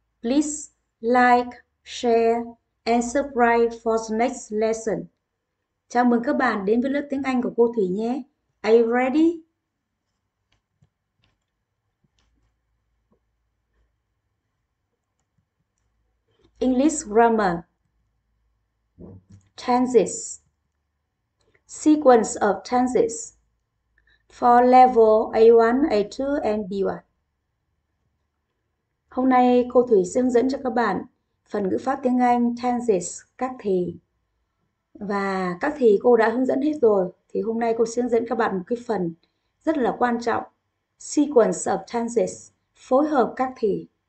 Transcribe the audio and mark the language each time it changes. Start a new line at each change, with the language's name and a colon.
English: Please like, share and subscribe for the next lesson.
Vietnamese: Chào mừng các bạn đến với lớp tiếng Anh của cô Thủy nhé.
English: Are you ready? English grammar. Tenses. Sequence of tenses for level A1, A2 and B1.
Vietnamese: Hôm nay cô Thủy sẽ hướng dẫn cho các bạn phần ngữ pháp tiếng Anh tenses, các thì. Và các thì cô đã hướng dẫn hết rồi, thì hôm nay cô sẽ hướng dẫn các bạn một cái phần rất là quan trọng,
English: sequence of tenses,
Vietnamese: phối hợp các thì.